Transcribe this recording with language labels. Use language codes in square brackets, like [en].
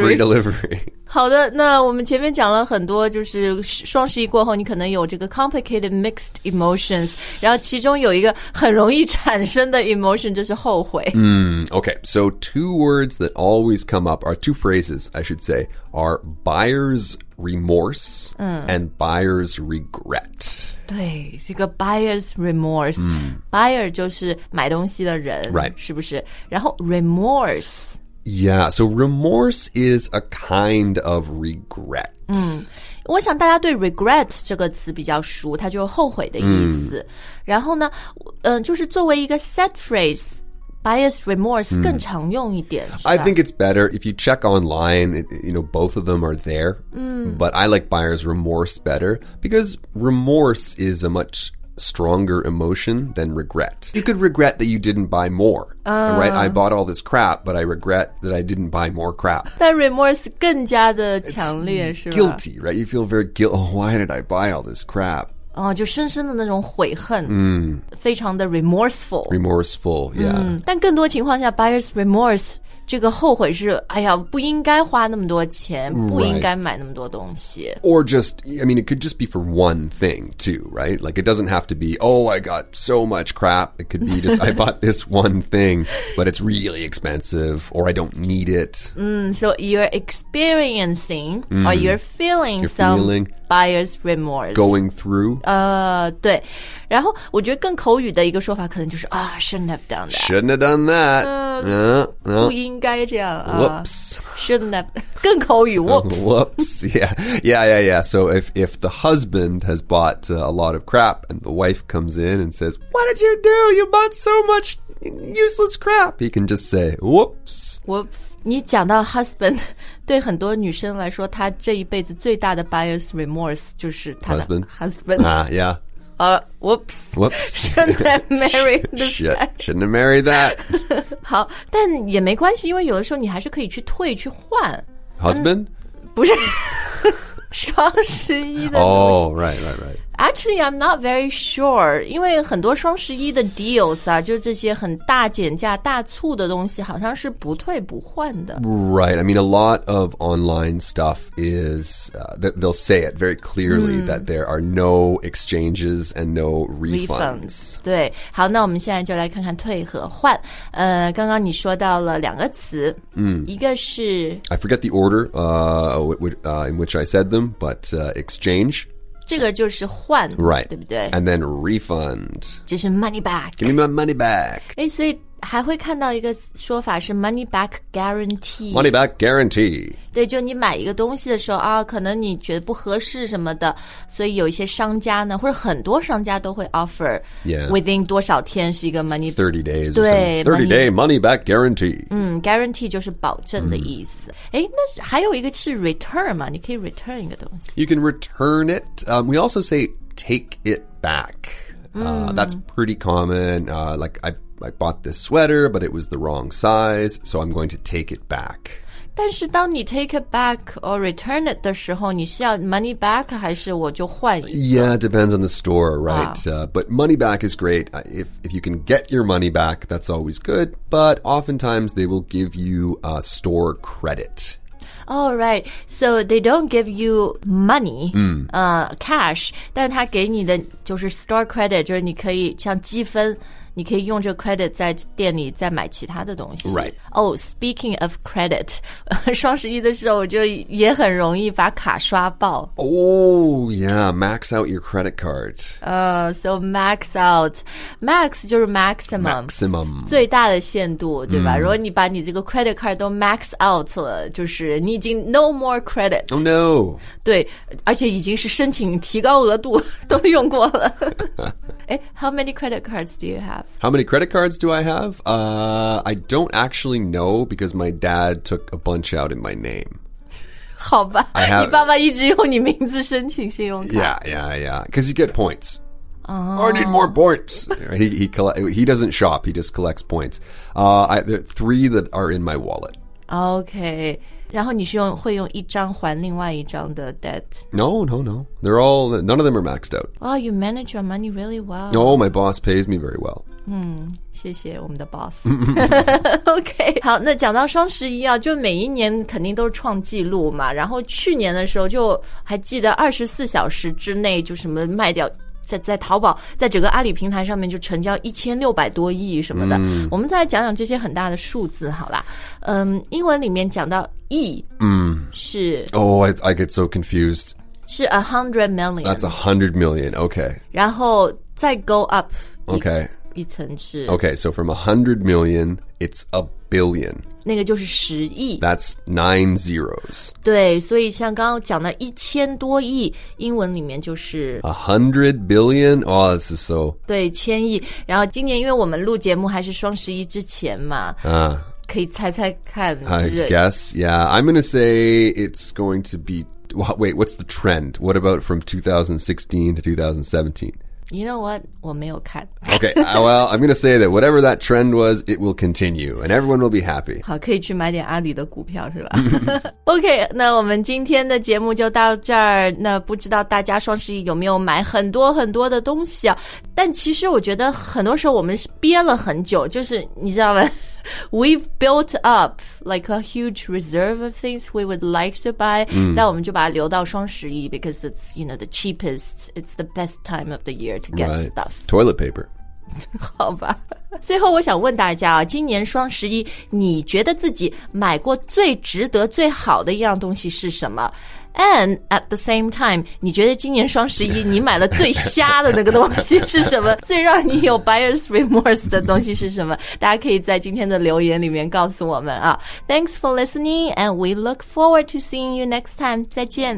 [en] Free delivery. [zh] 好的，那我们前面讲了很多，就是双十一过后，你可能有这个 [en] complicated mixed emotions， [zh] 然后其中有一个很容易产生的 emotion 就是后悔。 [en] Okay, so two words that always come up are two phrases, I should say, are buyer's remorse and buyer's regret. [zh] 对，这个 buyer's remorse, buyer 就是买东西的人， [en] right. [zh] 是不是？然后 remorse. [en] Yeah, so remorse is a kind of regret. [zh] 我想大家对 regret 这个词比较熟，它就是后悔的意思。然后呢，就是作为一个 set phrase, Bias remorse 更常用一点、mm. [en] I think it's better if you check online, you know, both of them are there、mm. But I like buyer's remorse better because remorse is a much stronger emotion than regret. You could regret that you didn't buy more、right? I bought all this crap, but I regret that I didn't buy more crap. [zh] 但 remorse 更加的强烈是吧 [en] guilty, right? You feel very guilty. Oh, why did I buy all this crap? [zh] 就深深的那种悔恨、mm. 非常的 remorseful [en] remorseful, yeah、嗯、 [zh] 但更多情况下 buyer's remorse 这个后悔是哎呀不应该花那么多钱、 [en] right. [zh] 不应该买那么多东西 [en] or just, I mean it could just be for one thing too, right? Like it doesn't have to be, oh I got so much crap, it could be just I bought this one thing but it's really expensive or I don't need it、 mm, So you're experiencing、mm. or you're feeling you're some feeling buyer's remorse going through [zh] 对然后我觉得更口语的一个说法可能就是、 [en] oh, shouldn't have done that shouldn't have done that [zh] 不应该这样、 [en] whoops shouldn't have [zh] 更口语 [en] whoops whoops yeah yeah yeah yeah so if the husband has bought、a lot of crap and the wife comes in and says what did you do you bought so muchuseless crap. He can just say, whoops. Whoops. [zh] 你讲到 husband, 对很多女生来说她这一辈子最大的 buyer's remorse 就是她的 [en] husband. Yeah. Whoops. Whoops. Shouldn't have married this guy. Shouldn't have married that. [zh] 好但也没关系因为有的时候你还是可以去退去换。 [en] Husband? [zh] 不是。双十一的东西。 [en] Oh, right, right, right. Actually, I'm not very sure, [zh] 因为很多双十一的 deals 啊，就这些很大减价、大促的东西，好像是不退不换的。 [en] Right, I mean, a lot of online stuff is, they'll say it very clearly、mm. that there are no exchanges and no refunds. [zh] 对，好，那我们现在就来看看退和换。刚刚你说到了两个词、 mm. 一个是 [en] I forget the order in which I said them, but exchange. [zh] 这个就是换 [en] right, [zh] 对不对 [en] And then refund [zh] 就是 [en] money back Give me my money back [zh] 诶所以还会看到一个说法是 money back guarantee [en] Money back guarantee [zh] 对就你买一个东西的时候啊，可能你觉得不合适什么的所以有一些商家呢或者很多商家都会 offer [en] Yeah [zh] Within 多少天是一个 money、 [en] It's、30 days [zh] 对 [en] 30 day money back guarantee [zh] 嗯 guarantee 就是保证的意思、mm. 诶那还有一个是 return 嘛你可以 return 一个东西 [en] You can return it、We also say take it back、That's pretty common、Like I bought this sweater, but it was the wrong size, so I'm going to take it back. [zh] 但是当你 [en] take it back or return it [zh] 的时候你是要 money back 还是我就换一个 [en] Yeah, it depends on the store, right?、Wow. But money back is great. If you can get your money back, that's always good. But oftentimes they will give you a store credit. Oh, right. So they don't give you money,、 mm. [zh] Cash, 但他给你的就是 store credit, 就是你可以像积分你可以用这个 credit 在店里再买其他的东西。 [en] Right. Oh, speaking of credit, [zh] 双十一的时候我就也很容易把卡刷爆。 [en] Oh, yeah, max out your credit card. So max out. [zh] Max 就是 maximum. [en] Maximum. [zh] 最大的限度对吧、mm. 如果你把你这个 credit card 都 max out 了就是你已经 [en] no more credit. Oh, no. [zh] 对而且已经是申请提高额度都用过了。 [en] 诶 how many credit cards do you have? How many credit cards do I have? I don't actually know because my dad took a bunch out in my name. [zh] 好吧，你爸爸一直用你名字申请信用卡。 [en] Yeah, yeah, yeah. Because you get points. Oh. I need more points. He doesn't shop. He just collects points. There are three that are in my wallet. Okay. [zh] 然后你是会用一张还另外一张的 debt? [en] No, no, no. They're all, none of them are maxed out. Oh, you manage your money really well. No,、oh, my boss pays me very well. [zh] 谢谢我们的 boss. OK, 好那讲到双十一啊就每一年肯定都是创纪录嘛然后去年的时候就还记得24小时之内就什么卖掉在淘宝在整个阿里平台上面就成交1600多亿什么的、 mm. 我们再来讲讲这些很大的数字好啦英文里面讲到亿、 mm. 是 [en] Oh, I get so confused 是 $100 million That's $100 million, okay [zh] 然后再 go up [en] Okay [zh] 一层是 [en] Okay, so from 100 million, it's a billion. [zh] 那个就是十亿 [en] That's nine zeros. [zh] 对，所以像刚刚讲的一千多亿，英文里面就是 [en] 100 billion. Oh, this is so. [zh] 对，千亿。然后今年因为我们录节目还是双十一之前嘛，可以猜猜看。 [en] I guess, yeah. I'm gonna say it's going to be. Wait, what's the trend? What about from 2016 to 2017? You know what? [zh] 我没有看。 [en] Okay, well, I'm going to say that whatever that trend was, it will continue, and everyone will be happy. [zh] 好，可以去买点阿里的股票，是吧？Okay, 那我们今天的节目就到这儿。那不知道大家双十一有没有买很多很多的东西啊？但其实我觉得很多时候我们是憋了很久，就是你知道吗？ [en] We've built up like a huge reserve of things we would like to buy. [zh] 但我们就把它留到双十一 [en] because it's, you know, the cheapest, it's the best time of the year to get stuff. Toilet paper. [zh] 好吧。最后我想问大家啊，今年双十一你觉得自己买过最值得最好的一样东西是什么？ [en] And at the same time, [zh] 你觉得今年双十一你买了最瞎的那个东西是什么？最让你有 buyer's remorse 的东西是什么？大家可以在今天的留言里面告诉我们啊。 [en] Thanks for listening, and we look forward to seeing you next time. [zh] 再见。